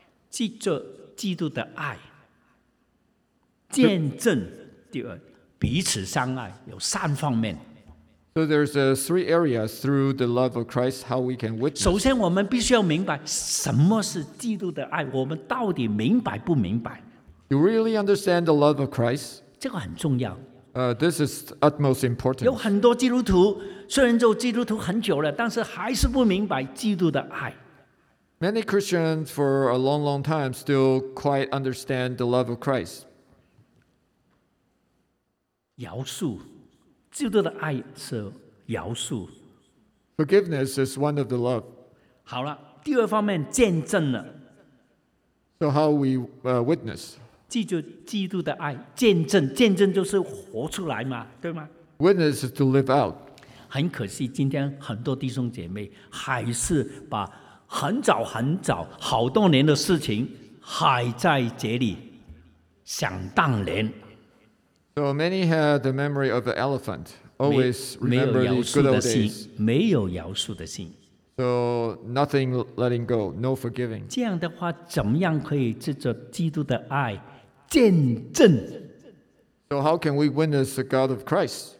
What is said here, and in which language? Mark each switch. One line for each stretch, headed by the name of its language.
Chinese: 记着基督的爱，见证第二，彼此相爱有三方面。
English: So there's three areas through the love of Christ how we can witness.
Chinese: 首先我们必须要明白什么是基督的爱，我们到底明白不明白。
English: You really understand the love of Christ?
Chinese: 这个很重要。
English: This is utmost importance.
Chinese: 有很多基督徒虽然做基督徒很久了，但是还是不明白基督的爱。
English: Many Christians for a long, long time still quite understand the love of Christ.
Chinese: 饶恕，基督的爱是饶恕。
English: Forgiveness is one of the love.
Chinese: 好了，第二方面见证了。
English: So how we witness?
Chinese: 记住基督的爱，见证，见证就是活出来嘛，对吗？
English: Witness is to live out.
Chinese: 很可惜，今天很多弟兄姐妹还是把很早很早好多年的事情还在这里想当年。
English: So many had the memory of the elephant, always remember these good old days.
Chinese: 没有饶恕的心。
English: So nothing letting go, no forgiving.
Chinese: 这样的话怎么样可以借着基督的爱见证？
English: So how can we witness the God of Christ?